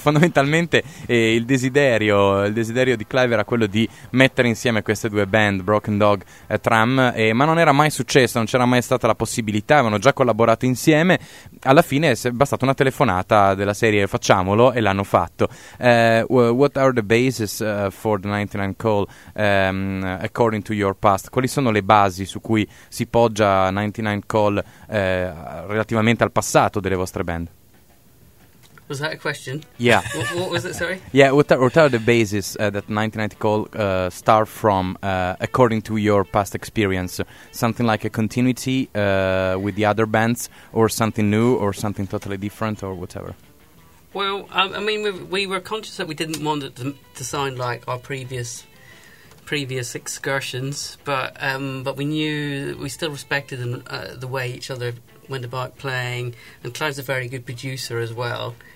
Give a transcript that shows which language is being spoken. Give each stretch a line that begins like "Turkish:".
Italian: Fondamentalmente il desiderio di Clive era quello di mettere insieme queste due band, Broken Dog e Tram, ma non era mai successo, non c'era mai stata la possibilità, avevano già collaborato insieme. Alla fine è bastata una telefonata della serie facciamolo e l'hanno fatto.
English: What are the basis for the 99 call according to your past?
Italian: Quali sono le basi su cui si poggia 99 call relativamente al passato delle vostre band?
English: Was that a question? Yeah. What was it, sorry? Yeah, what are the basis that 99 call start from according to your past experience? Something like a continuity with the other bands, or something new, or something totally different, or whatever? Well, I mean, we were conscious that we didn't want it to sound like our previous excursions, but we knew we still respected the way each other went about playing, and Clive's a very good producer as well.